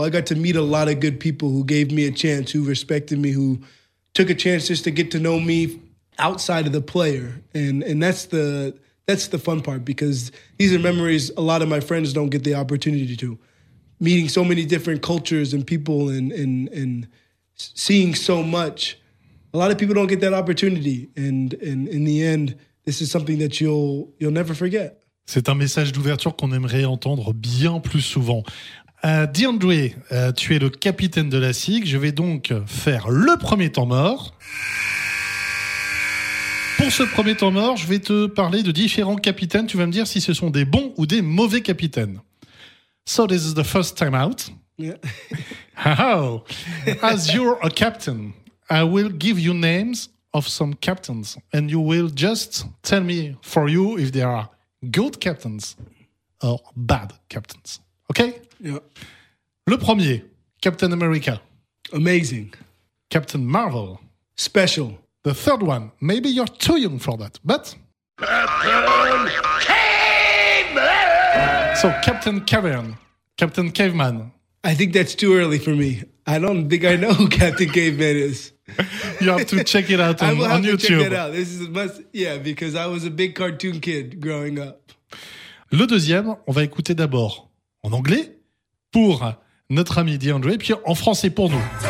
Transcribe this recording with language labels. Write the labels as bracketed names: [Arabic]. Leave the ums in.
[English] I got to meet a lot of good people who gave me a chance, who respected me, who took a chance just to get to know me outside of the player, and and that's the that's the fun part because these are memories a lot of my friends don't get the opportunity to meeting so many different cultures and people and and and seeing so much. A lot of people don't get that opportunity, and and in the end, this is something that you'll you'll never forget. [French] C'est un message d'ouverture qu'on aimerait entendre bien plus souvent. Euh, DeAndre, euh, tu es le capitaine de la SIG. Je vais donc faire le premier temps mort. Pour ce premier temps mort, je vais te parler de différents capitaines. Tu vas me dire si ce sont des bons ou des mauvais capitaines. [English] So this is the first time out. Yeah. Oh, as you're a captain, I will give you names of some captains, and you will just tell me for you if they are good captains or bad captains. Okay? Yeah. [French] Le premier, Captain America, [English] Amazing. Captain Marvel. Special. The third one, maybe you're too young for that, but. So, Captain Cavern, Captain Caveman, I think that's too early for me. I don't think I know who Captain Caveman is. you have to check it out I on, will on have to YouTube. check that out. This is a must. Yeah, because I was a big cartoon kid growing up. [French] Le deuxième, on va écouter d'abord en anglais pour notre ami DeAndre, puis en français pour nous.